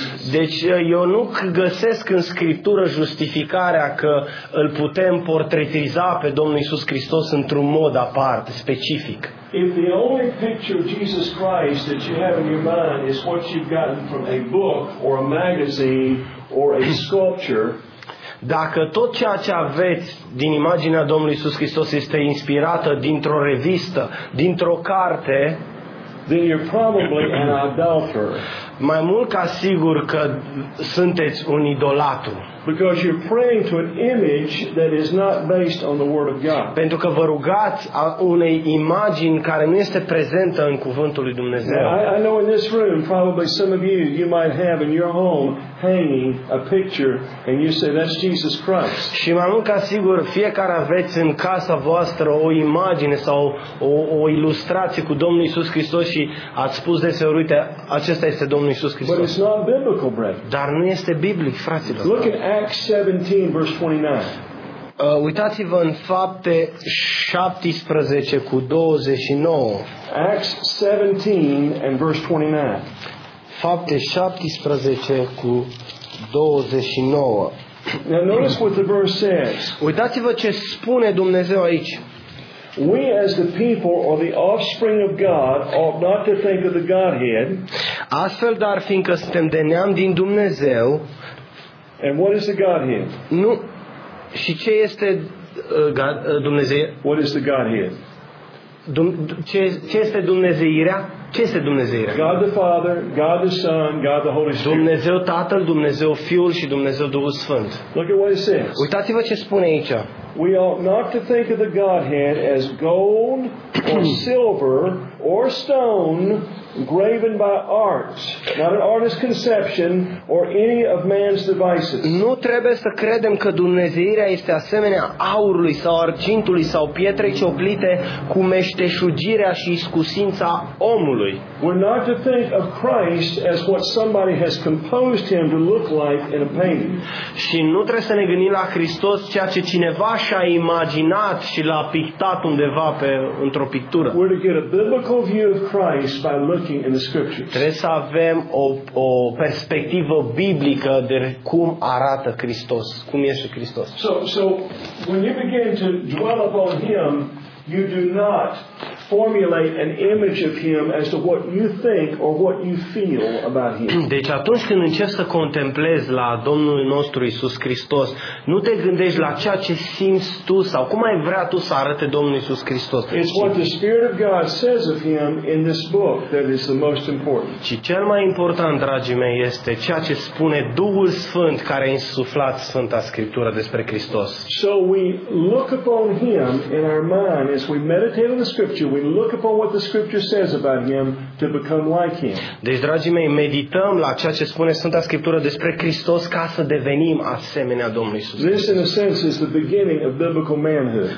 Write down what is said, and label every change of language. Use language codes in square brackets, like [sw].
[ro] Deci eu nu găsesc în Scriptură justificarea că îl putem portretiza pe Domnul Iisus Hristos într-un mod apart, specific. [en] If the only picture of Jesus Christ that you have in your mind is what you've gotten from a book or a magazine or a sculpture. [ro] Dacă tot ceea ce aveți din imaginea Domnului Iisus Hristos este inspirată dintr-o revistă, dintr-o carte, [en] then you're probably an adulterer. [ro] Mai mult ca sigur că sunteți un idolatru. [en] Because you're praying to an image that is not based on the word of God. [ro] Pentru că vă rugați a unei imagini care nu este prezentă în cuvântul lui Dumnezeu. [en] I know in this room probably some of you you might have in your home hanging a picture and you say that's Jesus Christ. [ro] Și mai mult ca sigur fiecare aveți în casa voastră o imagine sau o ilustrație cu Domnul Iisus Hristos și ați spus deseori, uite, acesta este Domnul Iisus Hristos. [en] But it's not biblical, brother. [ro] Dar nu este biblic, fraților. [en] Look at Acts 17 verse 29. [ro] Uitați-vă în Fapte 17 cu 29. [en] Acts 17 and verse 29. [ro] Fapte 17 cu 29. [en] Now notice what the verse says. [ro] Uitați-vă ce spune Dumnezeu aici. [en] We as the people or the offspring of God ought not to think of the Godhead. [ro] Astfel, dar fiindcă suntem de neam din Dumnezeu. [en] And what is the Godhead? [ro] Nu. Și ce este Dumnezeu? [en] What is the Godhead? [ro] Ce este Dumnezeirea? Ce este Dumnezeirea? [en] God the Father, God the Son, God the Holy Spirit. [ro] Dumnezeu Tatăl, Dumnezeu Fiul și Dumnezeu Duhul Sfânt. [en] Look at what it says. [ro] Uitați-vă ce spune aici. [en] We ought not to think of the Godhead as gold or silver or stone graven by art, not an artist's conception or any of man's devices. [ro] Nu trebuie să credem că Dumnezeirea este asemenea aurului sau argintului sau pietrei cioplite cu meșteșugirea și iscusința omului. [en] We're not to think of Christ as what somebody has composed him to look like in a painting. [ro] Și nu trebuie să ne gândim la Hristos ceea ce cineva și-a imaginat și l-a pictat undeva pe într-o pictură. [en] We're to get a biblical view of Christ by looking in the scriptures. [ro] Trebuie să avem o perspectivă biblică de cum arată Hristos, cum este Hristos. [en] So when you begin to dwell upon him, you do not formulate an image of him as to what you think or what you feel about him. [ro] Deci atunci când începi să contemplezi la Domnul nostru Iisus Hristos, nu te gândești la ceea ce simți tu sau cum ai vrea tu să arate Domnul Iisus Hristos. [en] It's what the Spirit of God says of him in this book that is the most important. [ro] Și cel mai important, dragii mei, este ceea ce spune Duhul Sfânt care a insuflat Sfânta Scriptură despre Hristos. [en] So we look upon him in our mind as we meditate on the Scripture. We look upon what the Scripture says about him to become like him. [ro] Deci, dragii mei, medităm la ceea ce spune Sfânta Scriptură despre Hristos ca să devenim asemenea Domnului Iisus. [en] This, in a sense, is the beginning of biblical manhood.